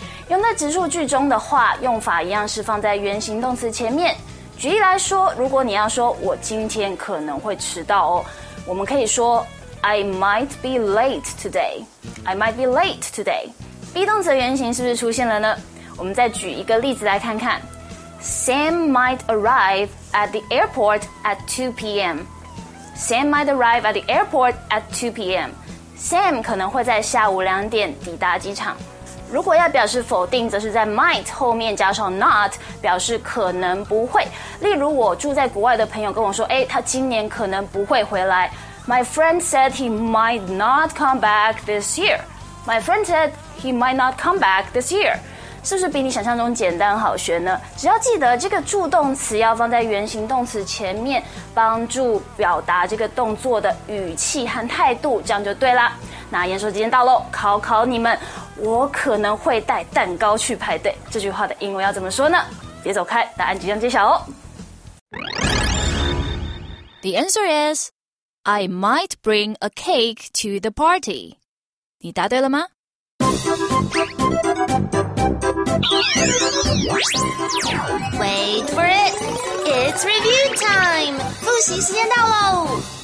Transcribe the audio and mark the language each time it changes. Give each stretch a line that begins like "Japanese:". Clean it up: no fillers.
Chinese: 用在直述句中的话，用法一样是放在原形动词前面。举例来说，如果你要说我今天可能会迟到哦，我们可以说
English: I might be late today. I might be late today.
Chinese: Be 动词的原型是不是出现了呢？我们再举一个例子来看看。
English: Sam might arrive at the airport at 2 p.m. Sam might arrive at the airport at 2 p.m.
Chinese: Sam 可能会在下午两点抵达机场。如果要表示否定，则是在 might 后面加上 not， 表示可能不会。例如，我住在国外的朋友跟我说：“哎，他今年可能不会回来。”
English: My friend said he might not come back this year. My friend said he might not come back this year.
Chinese: 是不是比你想象中简单好学呢？只要记得这个助动词要放在原形动词前面，帮助表达这个动作的语气和态度，这样就对啦。那验收时间到咯，考考你们，我可能会带蛋糕去排队，这句话的英文要怎么说呢？别走开，答案即将揭晓哦。
English: The answer is I might bring a cake to the party.
Chinese: 你答对了吗？
English: Wait for it! It's review time!
Chinese: 复习时间到喽